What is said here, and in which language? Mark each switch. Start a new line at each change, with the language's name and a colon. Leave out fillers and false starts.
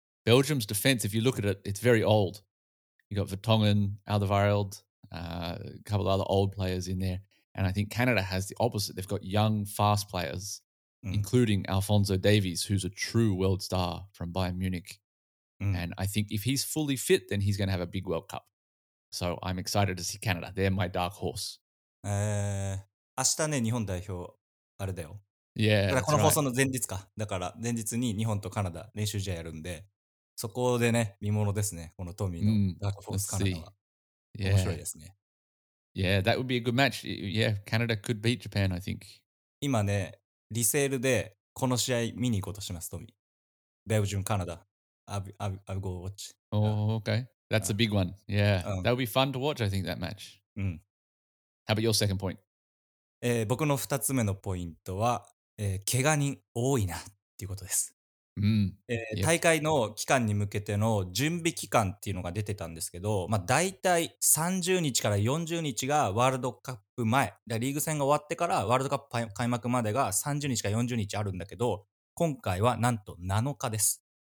English: Belgium's defense, if you look at it, it's very old. You got Vertonghen, Alderweireld, a couple of other old players in there. And I think Canada has the opposite. They've got young, fast players, including Alphonso Davies, who's a true world star from Bayern Munich. And I think if he's fully fit, then he's going to have a big World Cup. So I'm excited to see Canada. They're my dark horse.
Japanese: 明日ね、日本代表、あれだよ。
English: Yeah,
Japanese: だからこの放送の前日か。だから前日に日本とカナダ練習試合やるんで、そこでね、見ものですね。このトミーのダークフォースカナダは。面白いですね。
English: Yeah, that would be a good match. Yeah, Canada could beat Japan, I think.
Japanese: 今ね、リセールでこの試合見に行こうとします、トミー。
English: ベルジュン、カナダ。I'll go watch. Oh, okay. That's a big one. Yeah. That would be fun to watch, I think, that match. How about your second point?
Japanese: 僕の二つ目のポイントは、怪我人多いなっていうことです。大会の期間に向けての準備期間っていうのが出てたんですけど、まあ、大体30日から40日がワールドカップ前、リーグ戦が終わってからワールドカップ開幕までが30日から40日あるんだけど、今回はなんと7日です。